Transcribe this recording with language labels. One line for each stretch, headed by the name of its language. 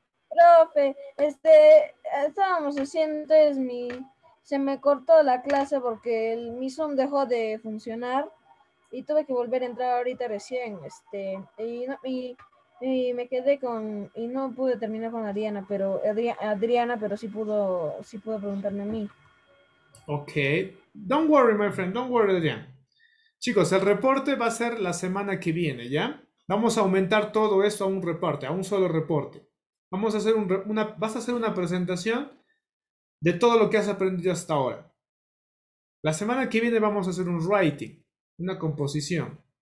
Spanish: Profe, estábamos haciendo, entonces se me cortó la clase porque mi Zoom dejó de funcionar y tuve que volver a entrar ahorita recién, y me quedé con, y no pude terminar con Adriana, pero sí pudo preguntarme a mí.
English: Ok, don't worry, my friend, don't worry, Adriana.
Spanish: Chicos, el reporte va a ser la semana que viene, ¿ya? Vamos a aumentar todo esto a un reporte, a un solo reporte. Vamos a hacer vas a hacer una presentación de todo lo que has aprendido hasta ahora. La semana que viene vamos a hacer un writing, una composición.